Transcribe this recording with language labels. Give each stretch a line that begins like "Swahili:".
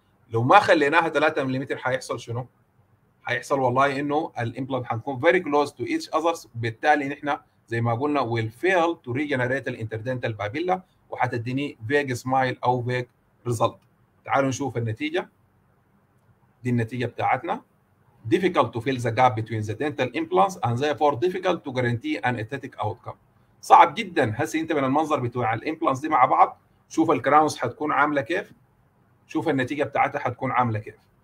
Arabic: لو ما خليناها 3 مليمتر هيحصل شنو؟ هيحصل والله انه الامبلانت هنكون
English: very close to each others,
Arabic: وبالتالي احنا زي ما قلنا
English: will fail to regenerate the interdental babilla
Arabic: وحتديني
English: vague smile
Arabic: او
English: vague result.
Arabic: تعالوا نشوف النتيجه. دي النتيجه بتاعتنا.
English: difficult to fill the gap between the dental implants and therefore difficult to guarantee an aesthetic outcome.
Arabic: صعب جدا. هسه انت من المنظر بتوع الامبلانتس دي مع بعض شوف الكراونز حتكون عامله كيف، شوف النتيجه بتاعتها حتكون عامله كيف.